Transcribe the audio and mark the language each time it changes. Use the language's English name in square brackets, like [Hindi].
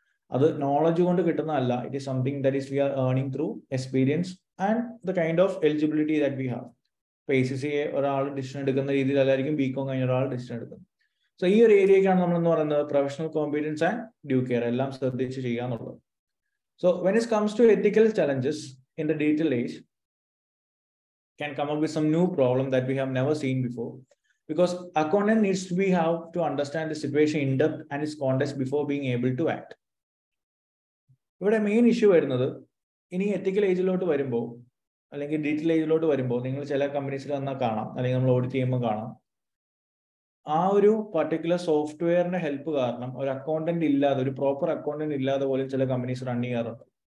[Malayalam] അത് നോളജ് കൊണ്ട് കിട്ടുന്നതല്ല, [English] It is something that is we are earning through experience and the kind of eligibility that we have. [Malayalam] ഇപ്പൊ ACCA ഒരാൾ decision എടുക്കുന്ന രീതിയിലല്ലായിരിക്കും BCom കഴിഞ്ഞ ഒരാൾ decision എടുക്കുന്നത്. സൊ ഈ ഒരു ഏരിയക്കാണ് നമ്മൾ എന്ന് പറയുന്നത് professional competence and dew care, എല്ലാം ശ്രദ്ധിച്ച് ചെയ്യുക എന്നുള്ളത്. [English] So when it comes to ethical challenges in the digital age, can come up with some new problem that we have never seen before, because accountant needs to be have to understand the situation in depth and its context before being able to act. [Malayalam] ഇവിടെ main issue വരുന്നത് ഇനി എത്തിക്കൽ ഏജിലോട്ട് വരുമ്പോൾ അല്ലെങ്കിൽ digital ഏജിലോട്ട് വരുമ്പോൾ നിങ്ങൾ ചില കമ്പനീസിൽ വന്നാൽ കാണാം അല്ലെങ്കിൽ നമ്മൾ ഓഡിറ്റ് ചെയ്യുമ്പോൾ കാണാം, ആ ഒരു പർട്ടിക്കുലർ സോഫ്റ്റ്വെയറിന്റെ ഹെൽപ്പ് കാരണം ഒരു അക്കൗണ്ടന്റ് ഇല്ലാതെ, ഒരു പ്രോപ്പർ അക്കൗണ്ടന്റ് ഇല്ലാതെ പോലും ചില കമ്പനീസ് റൺ ചെയ്യാറുണ്ട്.